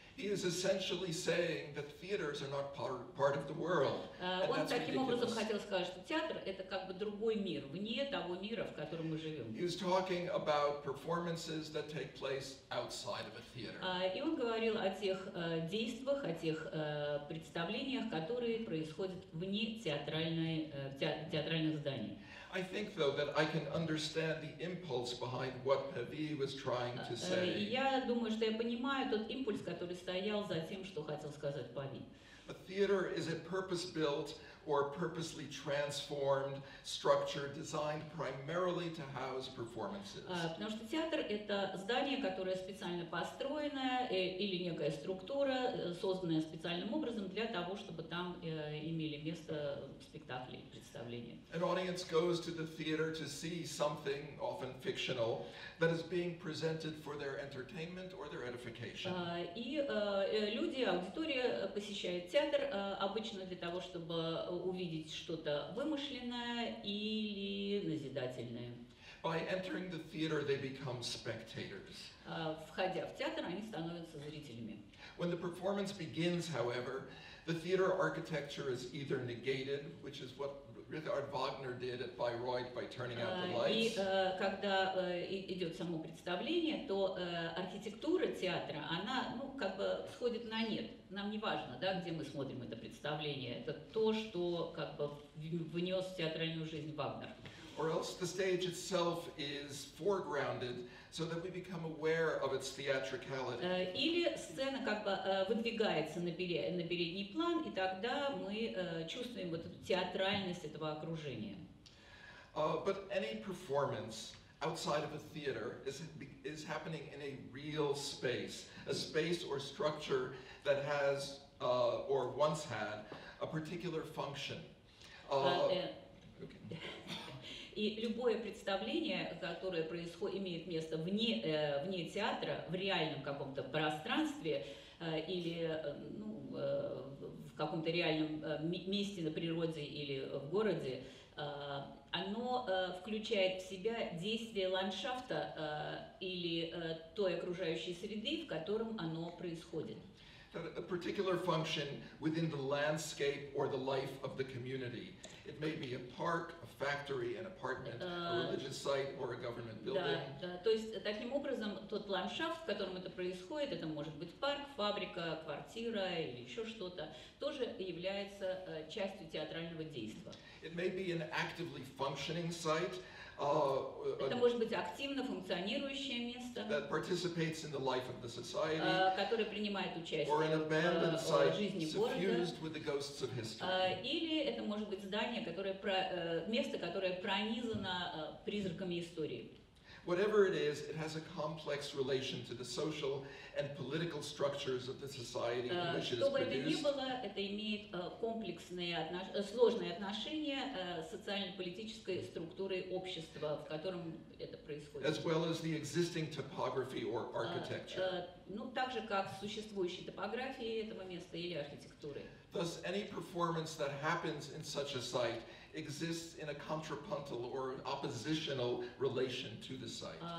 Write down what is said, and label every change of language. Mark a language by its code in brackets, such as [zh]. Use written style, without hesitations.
[en] He is essentially saying that theaters are not part of the world. [ru] Он таким образом хотел сказать, что театр это как бы другой мир, вне того мира, в котором мы живем. [en] He is talking about performances that take place outside of a theater. [ru] И он говорил о тех действиях, о тех представлениях, которые происходят вне театральных зданий. [en] I think, though, that I can understand the impulse behind what Pavy was trying to say. [ru] Я думаю, что я понимаю тот импульс, который стоял за тем, что хотел сказать Пави. [en] A theater is a purpose-built or purposely transformed structure designed primarily to house performances. [ru] Потому что театр — это здание, которое специально построено, или некая структура, созданная специальным образом для того, чтобы там имели место спектакли, представления. [en] An audience goes to the theater to see something, often fictional, that is being presented for their entertainment or their edification. [ru] Люди, аудитория посещает театр обычно для того, чтобы увидеть что-то вымышленное или назидательное. [en] By entering the theater, they become spectators. [ru] Входя в театр, они становятся зрителями. [en] When the performance begins, however, the theater architecture is either negated, which is what Richard Wagner did at Bayreuth by turning out the lights. [ru] И когда идет само представление, то архитектура театра, она, ну, как бы сходит на нет. Нам не важно, да, где мы смотрим это представление. Это то, что как бы внес в театральную жизнь Вагнер. [en] or else the stage itself is foregrounded so that we become aware of its theatricality. [ru] Или сцена как бы выдвигается на передний план, и тогда мы чувствуем вот эту театральность этого окружения. [en] But any performance outside of a theater is happening in a real space, a space or structure that has or once had a particular function. [ru] И любое представление, которое происходит, имеет место вне театра, в реальном каком-то пространстве или в каком-то реальном месте на природе или в городе, оно включает в себя действие ландшафта или той окружающей среды, в котором оно происходит. [en] A particular function within the landscape or the life of the community. It may be a park, a factory, an apartment, a religious site, or a government building. [ru] То есть таким образом тот ландшафт, в котором это происходит, это может быть парк, фабрика, квартира или еще что-то, тоже является частью театрального действия. [en] It may be an actively functioning site. [ru] Это может быть активно функционирующее место, [en] that participates in the life of the society, [ru] которое принимает участие в жизни города, или это может быть здание, которое место, которое пронизано призраками истории. [en] Whatever it is, it has a complex relation to the social and political structures of the society in which it is produced. [ru] Чтобы это ни было, это имеет комплексные, сложные отношения социально-политической структуры общества, в котором это происходит. [en] As well as the existing topography or architecture. [ru] Так же, как существующей топографии этого места или архитектуры. [en] Thus, any performance that happens in such a site exists in a contrapuntal or an oppositional relation to the site.